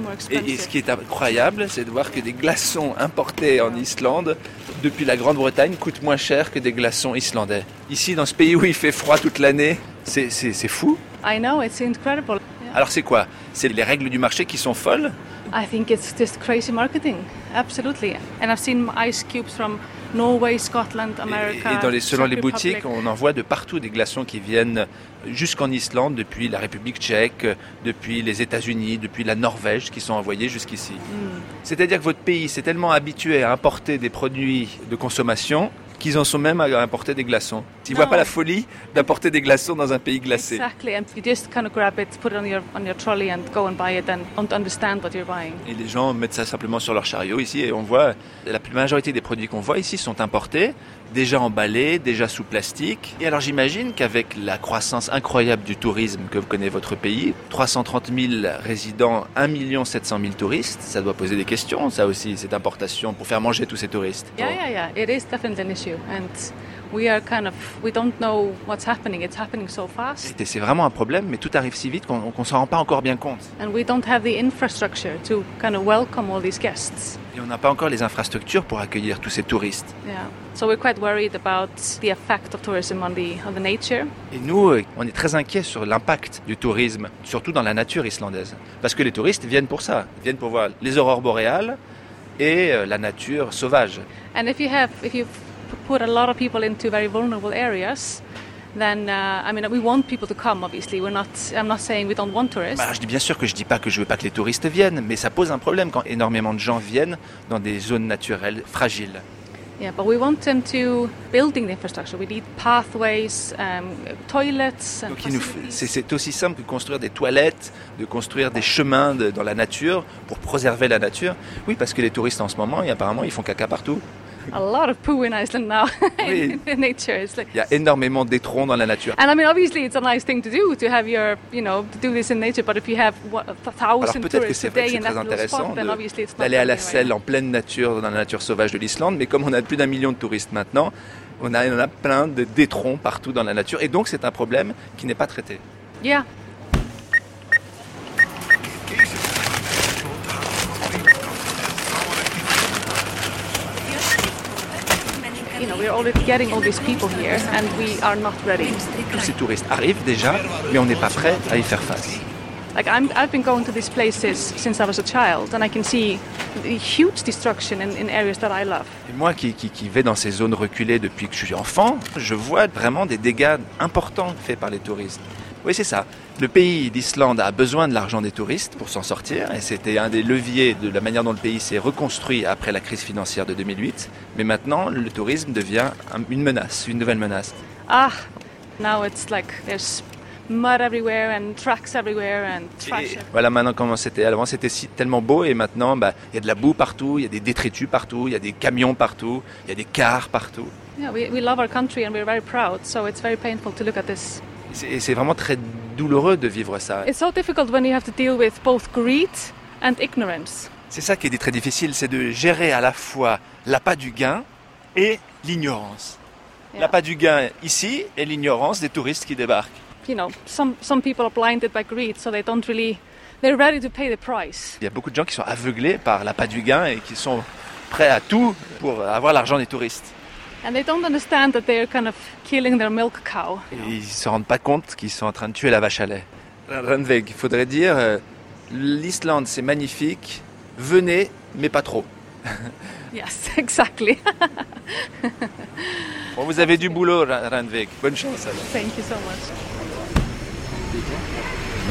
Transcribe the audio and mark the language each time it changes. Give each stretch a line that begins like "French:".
French: Et ce qui est incroyable, c'est de voir que des glaçons importés en Islande depuis la Grande-Bretagne coûtent moins cher que des glaçons islandais. Ici, dans ce pays où il fait froid toute l'année, c'est fou.
English: I know, it's incredible. Yeah.
French: Alors c'est quoi? C'est les règles du marché qui sont folles?
English: I think it's just crazy marketing, absolutely. And I've seen ice cubes from Norway, Scotland, America.
French: Et dans les, selon les boutiques, on en voit de partout des glaçons qui viennent jusqu'en Islande, depuis la République tchèque, depuis les États-Unis, depuis la Norvège, qui sont envoyés jusqu'ici. C'est-à-dire que votre pays s'est tellement habitué à importer des produits de consommation qu'ils en sont même à importer des glaçons. Ils ne voient pas la folie d'importer des glaçons dans un pays glacé.
English: Exactly, and you just kind of grab it, put it on your trolley and go and buy it and don't understand what you're buying.
French: Et les gens mettent ça simplement sur leur chariot ici et on voit la majorité des produits qu'on voit ici sont importés, déjà emballés, déjà sous plastique. Et alors j'imagine qu'avec la croissance incroyable du tourisme que connaît votre pays, 330 000 résidents, 1 700 000 touristes, ça doit poser des questions, ça aussi, cette importation pour faire manger tous ces touristes.
English: Yeah, it is definitely an issue. And we are kind of, we don't know what's happening. It's happening so fast.
French: C'est vraiment un problème, mais tout arrive si vite qu'on s'en rend pas encore bien compte.
English: And we don't have the infrastructure to kind of welcome all these guests.
French: Et on n'a pas encore les infrastructures pour accueillir tous ces touristes. Yeah.
English: So we're quite worried about the effect of tourism on the nature.
French: Et nous, on est très inquiets sur l'impact du tourisme, surtout dans la nature islandaise, parce que les touristes viennent pour ça, ils viennent pour voir les aurores boréales et la nature sauvage.
English: And if you have, if you put a lot of people into very vulnerable areas, then I mean we want people to come. Obviously, we're not. I'm not saying we don't want tourists.
French: Bah, je dis bien sûr que je dis pas que je veux pas que les touristes viennent, mais ça pose un problème quand énormément de gens viennent dans des zones naturelles fragiles.
English: Yeah, but we want them to building the infrastructure. We need pathways, toilets. And
French: donc c'est aussi simple que construire des toilettes, de construire des chemins dans la nature pour préserver la nature. Oui, parce que les touristes en ce moment, et apparemment, ils font caca partout.
English: A lot of poo in Iceland now. In nature, it's like.
French: Il y a énormément d'étrons dans la nature.
English: And I mean, obviously, it's a nice thing to do to have your, you know, to do this in nature. But if you have thousands of tourists a day in that little spot, then obviously it's not.
French: D'aller à la selle en pleine nature dans la nature sauvage de l'Islande, mais comme on a plus d'un million de touristes maintenant, on a plein de d'étrons partout dans la nature, et donc c'est un problème qui n'est pas traité. Yeah.
English: We're already getting all these people here, and we are not ready.
French: Tous ces touristes arrivent déjà, mais on n'est pas prêt à y faire face.
English: Like I've been going to these places since I was a child, and I can see the huge destruction in areas that I love.
French: Et moi qui vais dans ces zones reculées depuis que je suis enfant, je vois vraiment des dégâts importants faits par les touristes. Oui, c'est ça. Le pays d'Islande a besoin de l'argent des touristes pour s'en sortir. Et c'était un des leviers de la manière dont le pays s'est reconstruit après la crise financière de 2008. Mais maintenant, le tourisme devient une menace, une nouvelle menace.
English: Ah, now it's like there's mud everywhere and tracks everywhere and trash.
French: Et voilà maintenant comment c'était. Avant, c'était si tellement beau. Et maintenant, bah, y a de la boue partout, il y a des détritus partout, il y a des camions partout, il y a des cars partout.
English: Yeah, we love our country and we're very proud. So it's very painful to look at this.
French: Et c'est vraiment très douloureux de vivre ça.
English: It's so difficult when you have to deal with both greed and ignorance.
French: C'est ça qui est très difficile, c'est de gérer à la fois l'appât du gain et l'ignorance. Yeah. L'appât du gain ici et l'ignorance des touristes qui débarquent.
English: You know, some people are blinded by greed, so they don't really, they're ready to pay the price.
French: Il y a beaucoup de gens qui sont aveuglés par l'appât du gain et qui sont prêts à tout pour avoir l'argent des touristes.
English: And they don't understand that they're kind of killing their milk cow.
French: Et ils se rendent pas compte qu'ils sont en train de tuer la vache à lait. Ranveig, il faudrait dire, l'Islande c'est magnifique, venez, mais pas trop.
English: Yes, exactly.
French: Bon, vous avez du boulot, Randvik. Bonne chance. Alors.
English: Thank you so much.